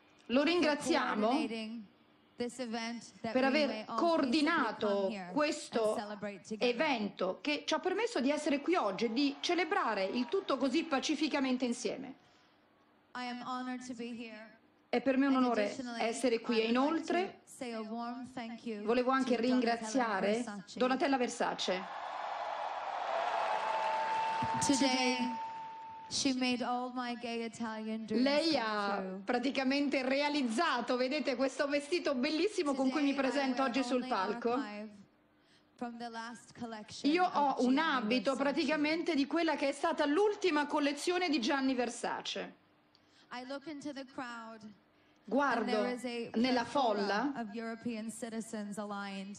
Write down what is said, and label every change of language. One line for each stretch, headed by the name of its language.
Italian: Lo ringraziamo per aver coordinato questo evento che ci ha permesso di essere qui oggi e di celebrare il tutto così pacificamente insieme.
English: I am honored to be here.
Italian: È per me un onore essere qui e inoltre volevo anche ringraziare Donatella Versace.
English: Today, she made all my gay Italian dreams
Italian: lei ha praticamente realizzato, vedete, questo vestito bellissimo
English: today
Italian: con cui mi presento oggi sul palco.
English: From the last
Italian: io ho un abito
English: Versace
Italian: praticamente di quella che è stata l'ultima collezione di Gianni Versace.
English: I look into the crowd,
Italian: guardo nella folla
English: of European citizens aligned